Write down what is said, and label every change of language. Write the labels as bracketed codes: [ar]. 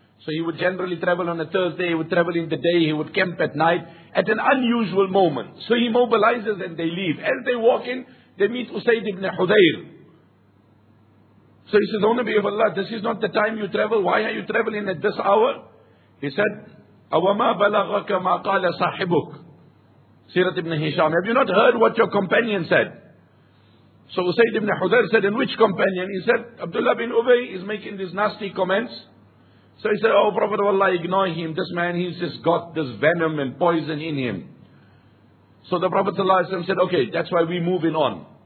[en] So he would generally travel on a Thursday, he would travel in the day, he would camp at night, at an unusual moment. So he mobilizes and they leave. As they walk in, they meet Usayd ibn Hudayr. So he says, O Nabi of Allah, this is not the time you travel. Why are you traveling at this hour? He said, [ar] أَوَمَا بَلَغَكَ مَا قَالَ صَاحِبُكَ. [en] Sirat ibn Hisham, have you not heard what your companion said? So Usayd ibn Hudayr said, and which companion? He said, Abdullah bin Ubay is making these nasty comments. So he said, oh Prophet of Allah, ignore him. This man, he's just got this venom and poison in him. So the Prophet said, okay, that's why we're moving on.